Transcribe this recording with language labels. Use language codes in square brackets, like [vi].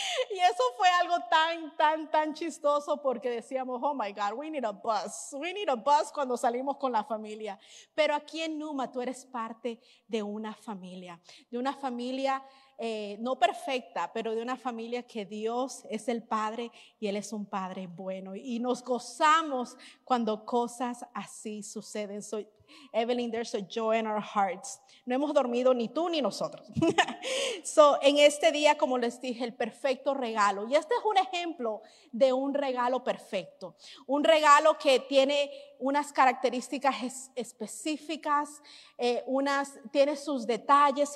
[es] Y eso fue algo tan chistoso porque decíamos, [en] oh my God, we need a bus [es] cuando salimos con la familia. Pero aquí en Numa tú eres parte de una familia no perfecta, pero de una familia que Dios es el Padre y Él es un Padre bueno. Y nos gozamos cuando cosas así suceden. [en] So, Evelyn, there's a joy in our hearts. [es] No hemos dormido ni tú ni nosotros. So, en este día, como les dije, el perfecto regalo. Y este es un ejemplo de un regalo perfecto. Un regalo que tiene unas características específicas, tiene sus detalles.